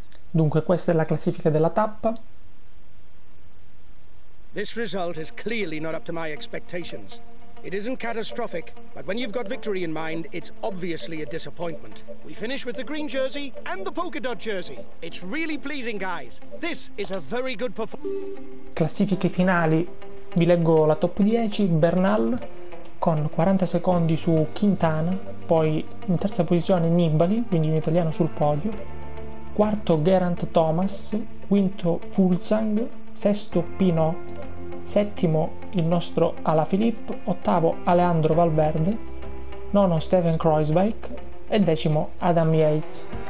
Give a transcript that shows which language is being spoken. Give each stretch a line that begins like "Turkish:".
Italian: Dunque, questa è la classifica della tappa.
English: This result is clearly not up to my expectations. It isn't catastrophic, but when you've got victory in mind, it's obviously a disappointment. We finish with the green jersey and the polka dot jersey. It's really pleasing, guys. This is a very good performance.
Italian: Classifiche finali. Vi leggo la top 10. Bernal con 40 secondi su Quintana, poi in terza posizione Nibali, quindi un italiano sul podio. Quarto Geraint Thomas, quinto Fuglsang, sesto Pinot, settimo il nostro Alaphilippe, ottavo Alejandro Valverde, nono Steven Kruijswijk e decimo Adam Yates.